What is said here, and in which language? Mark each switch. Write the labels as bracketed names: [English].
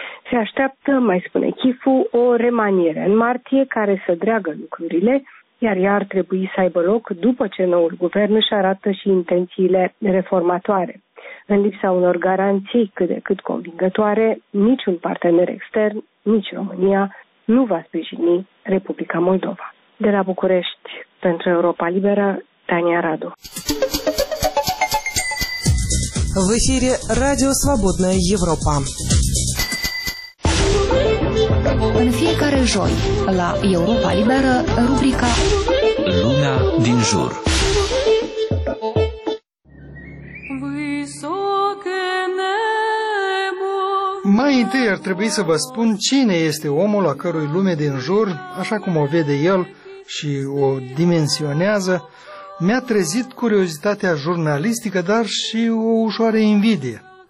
[Romanian] Se așteaptă, mai spune Chifu, o remaniere în martie care să dreagă lucrurile, iar ea ar trebui să aibă loc după ce noul guvern își arată și intențiile reformatoare. În lipsa unor garanții cât de cât convingătoare, niciun partener extern, nici România, nu va sprijini Republica Moldova. De la București, pentru Europa Liberă, Tania Radu. [Russian] В эфире Радио Свободная Европа. [Romanian] În fiecare joi la Europa Liberă, rubrica Lumea din jur. Mai întâi ar trebui să vă spun cine este omul a cărui lume din jur, așa cum o vede el și o dimensionează, mi-a trezit curiozitatea jurnalistică, dar și o ușoară invidie.